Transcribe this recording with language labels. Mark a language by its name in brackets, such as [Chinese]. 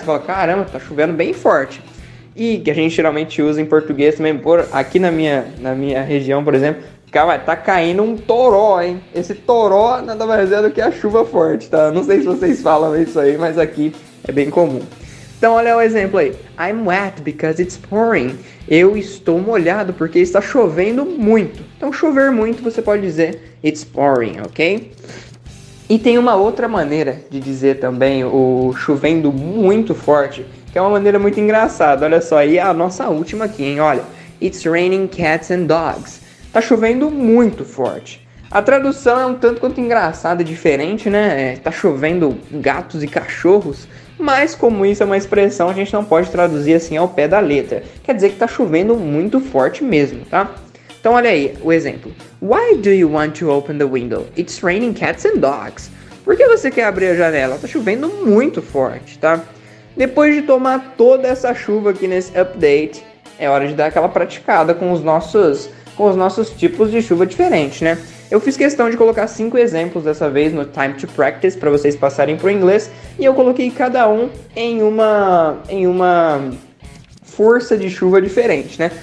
[Portuguese] Você fala, caramba, tá chovendo bem forte. E que a gente geralmente usa em português também. Por aqui na minha região, por exemplo. Calma, tá caindo um toró, hein? Esse toró nada mais é do que a chuva forte, tá? Não sei se vocês falam isso aí, mas aqui é bem comum. Então olha o exemplo aí. [English] I'm wet because it's pouring. [Portuguese] Eu estou molhado porque está chovendo muito. Então chover muito você pode dizer [English] it's pouring, [Portuguese] ok? E tem uma outra maneira de dizer também o chovendo muito forte, que é uma maneira muito engraçada. Olha só, aí a nossa última aqui, hein? Olha, [English] it's raining cats and dogs. [Portuguese] Tá chovendo muito forte. A tradução é um tanto quanto engraçada e diferente, né? Tá chovendo gatos e cachorros. Mas como isso é uma expressão, a gente não pode traduzir assim ao pé da letra. Quer dizer que tá chovendo muito forte mesmo, tá? Então olha aí o exemplo. [English] Why do you want to open the window? It's raining cats and dogs. [Portuguese] Por que você quer abrir a janela? Tá chovendo muito forte, tá? Depois de tomar toda essa chuva aqui nesse update, é hora de dar aquela praticada com os nossos... com os nossos tipos de chuva diferentes, né? Eu fiz questão de colocar 5 exemplos dessa vez no Time to Practice para vocês passarem pro inglês e eu coloquei cada um em uma força de chuva diferente, né?